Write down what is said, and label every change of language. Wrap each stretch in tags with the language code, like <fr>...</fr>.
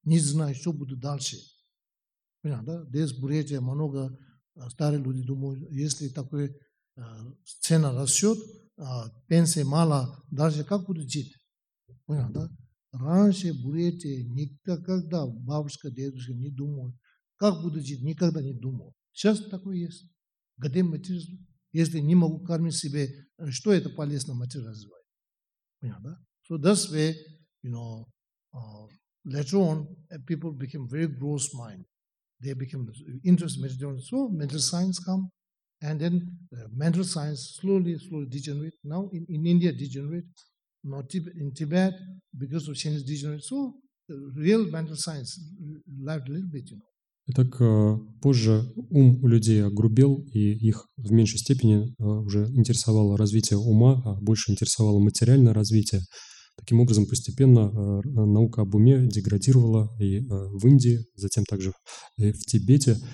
<ru>Не знаю, что будет дальше. Понятно, да? Здесь в Бурятии много старых людей думают, если такой цена растет, пенсии мало, дальше как будут жить? Понятно, да? Раньше в Бурятии никогда бабушка, дедушка не думали, как будут жить, никогда не думал. Сейчас такое есть. Где материал, если не могу кормить себе, что это полезно материал развивать? Понятно, да?</ru> <en>So that's where, you know, later on, people became very gross minded. They became interested in mental development. So mental science come, and then mental science slowly degenerate. Now in India degenerate, not in Tibet because of Chinese degenerate. So real mental science lived a little bit, you know.</en> <ru>Итак, позже ум у людей огрубел, и их в меньшей степени уже интересовало развитие ума, а больше интересовало материальное развитие. Таким образом, постепенно наука об уме деградировала и в Индии, затем также и в Тибете.</ru>